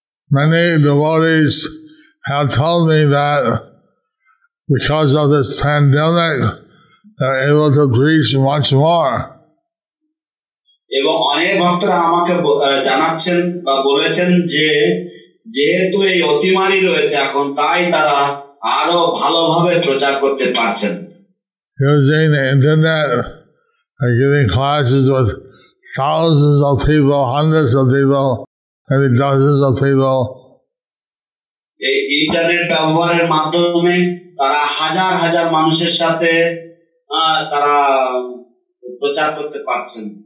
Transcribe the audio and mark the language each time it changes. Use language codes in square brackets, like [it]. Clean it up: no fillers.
[en] Many devotees have told me that because of this pandemic, they are able to preach much more. [bn] এবং অনেক ভক্তরা আমাকে জানাচ্ছেন বা বলেছেন যে যেহেতু এই অতিমারি রয়েছে এখন তাই তারা আরো ভালোভাবে প্রচার করতে পারছেন [en] using the internet and giving classes with thousands of people, hundreds of people, maybe dozens of people. [bn] এই ইন্টারনেট ব্যবহারের মাধ্যমে তারা হাজার হাজার মানুষের সাথে তারা প্রচার করতে পারছেন.